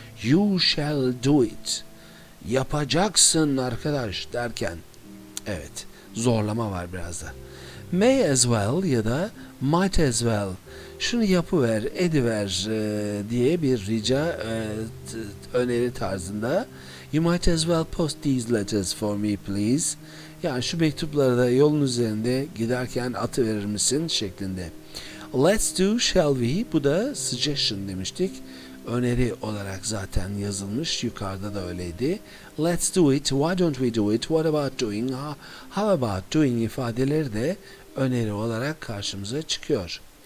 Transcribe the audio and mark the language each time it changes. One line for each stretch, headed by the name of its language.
English: You shall do it.
Turkish: Yapacaksın arkadaş derken, evet, zorlama var biraz da.
English: May as well
Turkish: ya da
English: might as well,
Turkish: şunu yapıver, ediver diye bir rica, öneri tarzında.
English: You might as well post these letters for me please.
Turkish: Yani şu mektupları da yolun üzerinde giderken atıverir misin şeklinde.
English: Let's do, shall we,
Turkish: bu da suggestion demiştik. Öneri olarak zaten yazılmış, yukarıda da öyleydi.
English: Let's do it, why don't we do it, what about doing, how about doing
Turkish: ifadeleri de öneri olarak karşımıza çıkıyor.